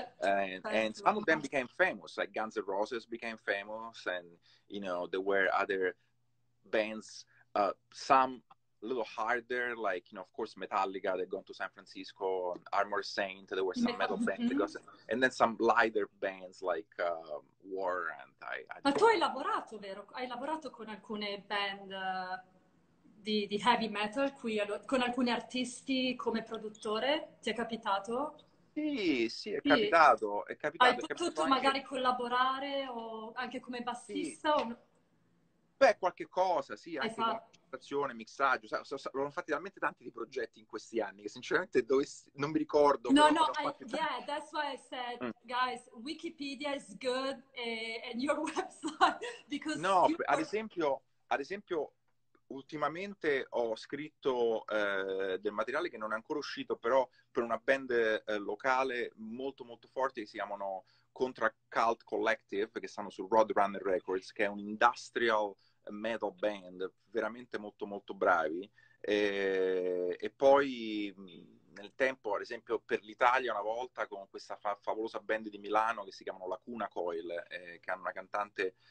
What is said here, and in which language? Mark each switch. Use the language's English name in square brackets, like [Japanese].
[English] And some of them became famous, like Guns N' Roses became famous, and, you know, there were other bands, some a little harder, like, you know, of course, Metallica, they've gone to San Francisco, Armored Saint, there were some metal bands, and then some lighter bands like Warrant. [Italian] Ma tu hai lavorato, vero? Hai lavorato con alcune band di heavy metal qui, con alcuni artisti come produttore? Ti è capitato? Sì, è capitato. Hai potuto magari anche collaborare o anche come bassista? Sì. Beh, qualche cosa, sì, anche presentazione, mixaggio. L'ho fatto talmente tanti di progetti in questi anni che sinceramente non mi ricordo. [English] That's why I said, guys, Wikipedia is good and your website. [Italian] Ad esempio, ultimamente ho scritto del materiale che non è ancora uscito, però per una band locale molto molto forte che si chiamano Contra Cult Collective, che stanno su Roadrunner Records, che è un industrial metal band, veramente molto molto bravi, e poi nel tempo, ad esempio, per l'Italia una volta con questa favolosa band di Milano che si chiamano Lacuna Coil, che hanno una cantante